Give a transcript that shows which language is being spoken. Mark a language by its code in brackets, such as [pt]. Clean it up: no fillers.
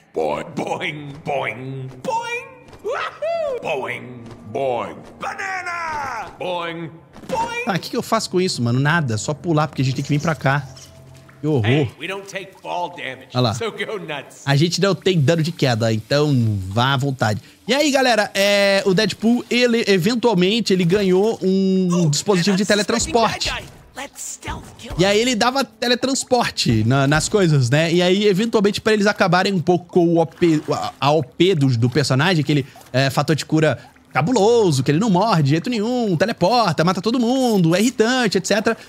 [pt] Boing, boing, boing, boing. Wahoo! Boing, boing. Banana! Boing, boing. Ah, que eu faço com isso, mano? Nada, só pular, porque a gente tem que vir pra cá. Que horror. [en] Hey, we don't take fall damage, [pt] olha lá. [en] So go nuts. [pt] A gente não tem dano de queda, então vá à vontade. E aí, galera, o Deadpool, ele eventualmente, ele ganhou um dispositivo de teletransporte. E aí ele dava teletransporte nas coisas, né? E aí, eventualmente, pra eles acabarem um pouco com a OP do personagem, aquele fator de cura cabuloso, que ele não morre de jeito nenhum, teleporta, mata todo mundo, é irritante, etc.